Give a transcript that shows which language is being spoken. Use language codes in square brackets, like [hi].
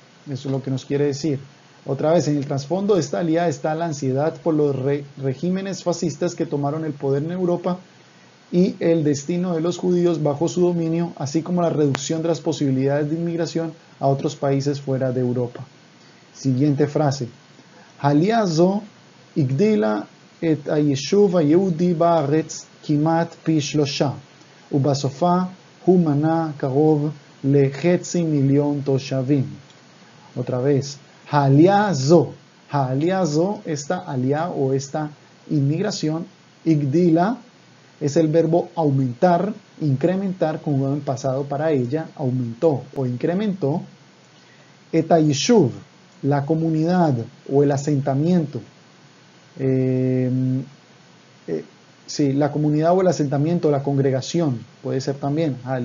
[es] Eso es lo que nos quiere decir. Otra vez, en el trasfondo de esta alía está la ansiedad por los regímenes fascistas que tomaron el poder en Europa y el destino de los judíos bajo su dominio, así como la reducción de las posibilidades de inmigración a otros países fuera de Europa. Siguiente frase. [he] Haliazo הגדילה את היישוב היהודי בארץ כמעט פי שלושה, ובסופה הוא מנה קרוב לחצי מיליון תושבים. [es] Otra vez, [he] העלייה זו, [es] esta [he] עלייה [es] o esta inmigración, [he] הגדילה, [es] es el verbo aumentar, incrementar, como en pasado para ella, aumentó o incrementó, [he] את היישוב, [es] la comunidad o el asentamiento, sí, la comunidad o el asentamiento, la congregación, puede ser también